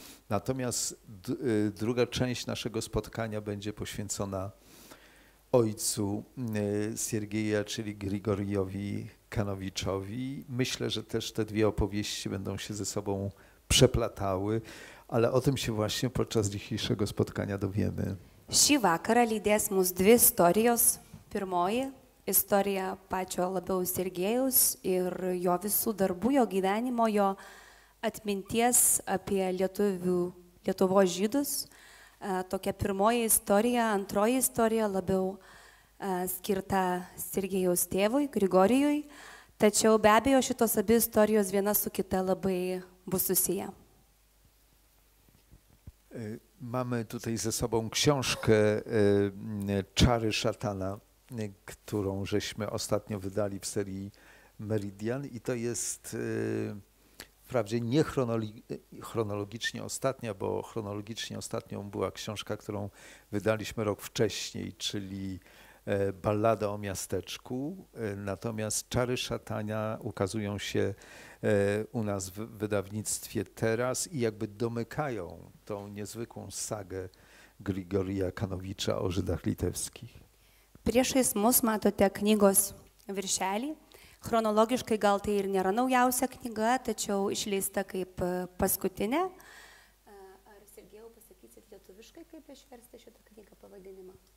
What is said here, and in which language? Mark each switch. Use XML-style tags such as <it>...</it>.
<pl>Natomiast druga część naszego spotkania będzie poświęcona ojcu Siergieja, czyli Grigoriowi Kanowiczowi. Myślę, że też te dwie opowieści będą się ze sobą przeplatały, ale o tym się właśnie podczas dzisiejszego spotkania dowiemy.</pl> <lt>Šį vakarą lydės mus dvi istorijos. Pirmoji – istorija pačio labiau Siergiejaus ir jo visų darbų, jo gyvenimo, jo atminties apie Lietuvos žydus. Tokia pirmoji istorija, antroji istorija labiau skirta Siergiejaus tėvui, Grigorijui. Tačiau be abejo šitos abi istorijos viena su kita labai bus susiję.</lt> <pl>Mamy tutaj ze sobą książkę Czary Szatana, którą żeśmy ostatnio wydali w serii Meridian i to jest wprawdzie nie chronologicznie ostatnia, bo chronologicznie ostatnią była książka, którą wydaliśmy rok wcześniej, czyli Ballada o miasteczku, natomiast Czary Szatana ukazują się u nas w wydawnictwie teraz i jakby domykają tą niezwykłą sagę Grigorija Kanowicza o Żydach litewskich.</pl> <lt>Priešais mus matote knygos viršelį. Chronologiškai gal tai ir nėra naujausia knyga, tačiau išleista kaip paskutinė. Ar Sergejau pasakysit lietuviškai, kaip išversti šitą knygą pavadinimą?</lt>